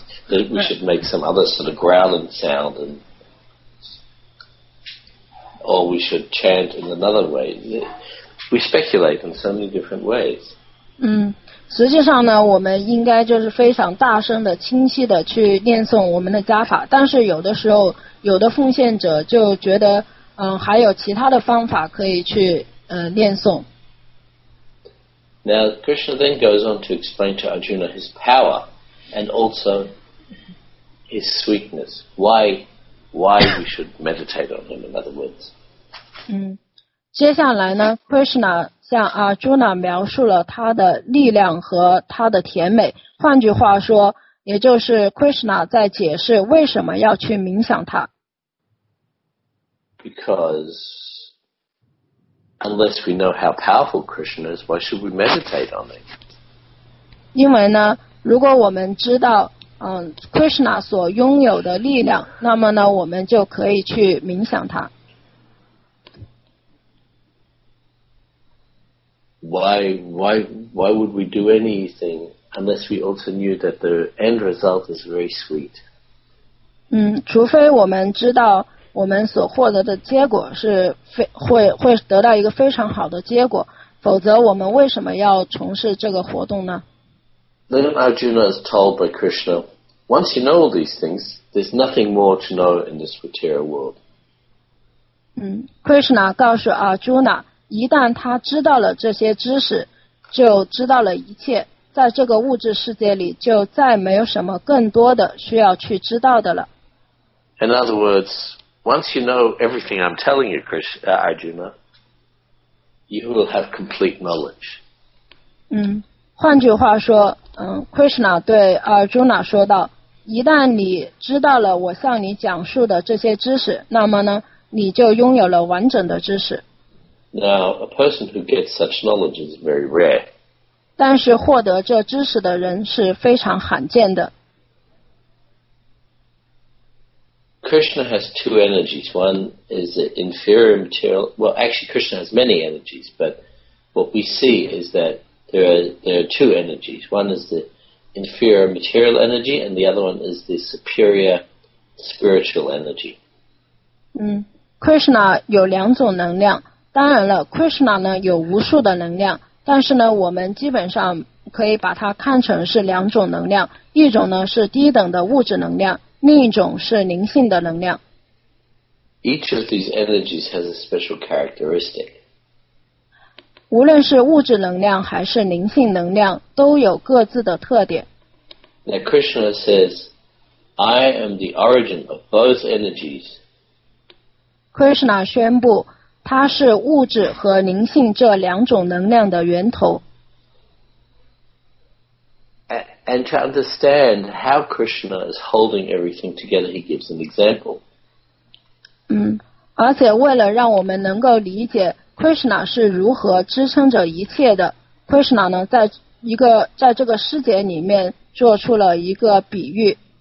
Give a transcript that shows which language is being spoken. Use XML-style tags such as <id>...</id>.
<en>That we should make some other sort of growling sound, and or we should chant in another way. We speculate in so many different ways.</en> <zh>实际上呢，我们应该就是非常大声的、清晰的去念诵我们的加法，但是有的时候，有的奉献者就觉得，还有其他的方法可以去念诵。</zh> <en>Now Krishna then goes on to explain to Arjuna his power and also his sweetness. Why we should meditate on him? In other words.</en> <zh>接下来呢 ，Krishna。像阿朱娜描述了他的力量和他的甜美，换句话说，也就是 Krishna 在解释为什么要去冥想他。</zh> <en>Because unless we know how powerful Krishna is, why should we meditate on it?</en> <zh>因为呢，如果我们知道Krishna 所拥有的力量，那么呢，我们就可以去冥想他。</zh> <en>Why would we do anything unless we also knew that the end result is very sweet?</en> <zh>除非我们知道我们所获得的结果是会得到一个非常好的结果，否则我们为什么要从事这个活动呢？</zh> <en>Then Arjuna is told by Krishna, once you know all these things, there's nothing more to know in this material world.</en> <zh>Krishna 告诉 Arjuna,一旦他知道了这些知识，就知道了一切，在这个物质世界里就再没有什么更多的需要去知道的了。</zh> <en>In other words, once you know everything I'm telling you, Krishna, Arjuna, you will have complete knowledge.</en> <zh>换句话说，Krishna 对 Arjuna 说道，一旦你知道了我向你讲述的这些知识，那么呢，你就拥有了完整的知识。</zh> <en>Now, a person who gets such knowledge is very rare.</en> <zh>但是获得这知识的人是非常罕见的。</zh> <en>Krishna has two energies. One is the inferior material. Well, actually, Krishna has many energies, but what we see is that there are two energies. One is the inferior material energy, and the other one is the superior spiritual energy.</en> <zh>Krishna 有两种能量。当然了 ，Krishna 呢有无数的能量，但是呢，我们基本上可以把它看成是两种能量，一种呢是低等的物质能量，另一种是灵性的能量。</zh> <en>Each of these energies has a special characteristic.</en> <zh>无论是物质能量还是灵性能量，都有各自的特点。</zh> <en>Now Krishna says, "I am the origin of both energies."</en> <zh>Krishna 宣布。它是物质和灵性这两种能量的源头。</zh> <en>And to understand how Krishna is holding everything together, he gives an example.</en> <zh>而且为了让我们能够理解 Krishna 是如何支撑着一切的 ，Krishna 呢，在这个世界里面做出了一个比喻。</zh>